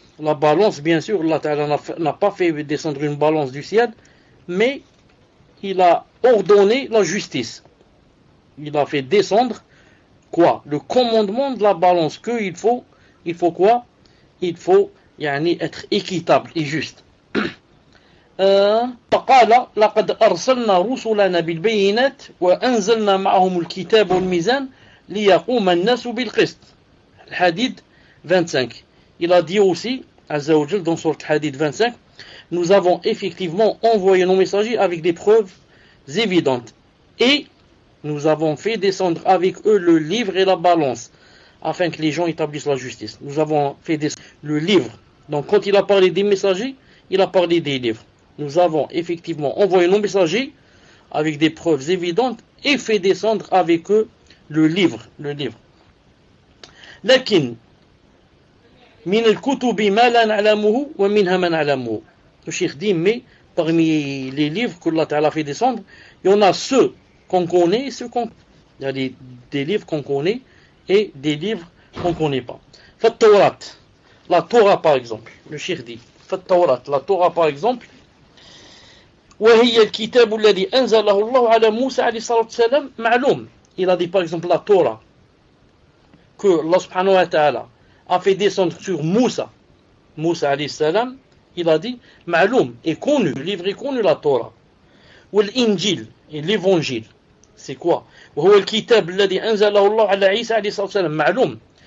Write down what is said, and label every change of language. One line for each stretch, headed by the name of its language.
French: La balance, bien sûr, Allah Ta'ala n'a pas fait descendre une balance du ciel, mais il a ordonné la justice. Il a fait descendre quoi? Le commandement de la balance, qu'il faut, il faut quoi? Il faut, yani, être équitable et juste.
Arabic: فقال لقد أرسلنا رسلنا بالبينات وأنزلنا معهم الكتاب والميزان ليقوم الناس بالقسط. الحديد 25.
French: Il a dit aussi, Azza wa Jal, dans le hadith 25, nous avons effectivement envoyé nos messagers avec des preuves évidentes. Et nous avons fait descendre avec eux le livre et la balance, afin que les gens établissent la justice. Nous avons fait descendre le livre. Donc quand il a parlé des messagers, il a parlé des livres. Nous avons effectivement envoyé nos messagers avec des preuves évidentes et fait descendre avec eux le livre. Le livre. Lakin.
Arabic: من الكتب ما لا نعلمه ومنها ما نعلمه.
French: Le Cheikh dit, mais parmi les livres que Allah Ta'ala fait descendre, il y en a ceux qu'on connaît et ceux qu'on... Il y a des livres qu'on connaît et des livres qu'on ne connaît pas. Fattawrat, la Torah par exemple. Le Cheikh dit, Fattawrat, la Torah par exemple.
Arabic: وهي الكتاب الذي أنزله الله على موسى عليه الصلاة والسلام معلوم.
French: Il a dit par exemple la Torah que Allah Subhanahu wa Ta'ala a fait descendre sur Moussa. Moussa alayhi salam, il a dit, ma'loum, est connu, le livre est connu, la Torah. Ou l'Injil, et l'Évangile, c'est quoi? Ou le kitab, l'a dit,
Arabic: anzalahu Allah ala Isa alayhi salam, ma'loum.